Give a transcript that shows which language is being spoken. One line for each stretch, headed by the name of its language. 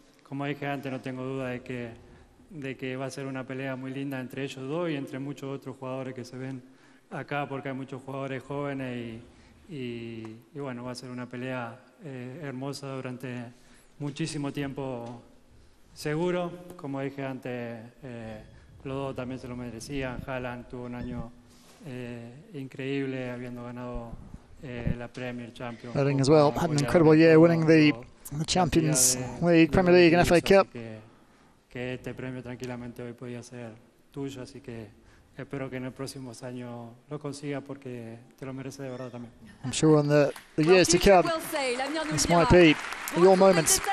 Spanish: Como dije antes, no tengo duda de que va a ser una pelea muy linda entre ellos dos y entre muchos otros jugadores que se ven acá, porque hay muchos jugadores jóvenes y bueno, va a ser una pelea hermosa durante muchísimo tiempo seguro. Como dije antes, los dos también se lo merecían. Haaland tuvo un año increíble habiendo ganado la Premier Champions.
English: Erling as well had an incredible year winning the Champions League, Premier League and FA Cup.
Spanish: Que este premio tranquilamente hoy podía ser tuyo, así que espero que en los próximos años lo consiga porque te lo mereces de verdad también.
English: I'm sure in the years to come, this might be your moment.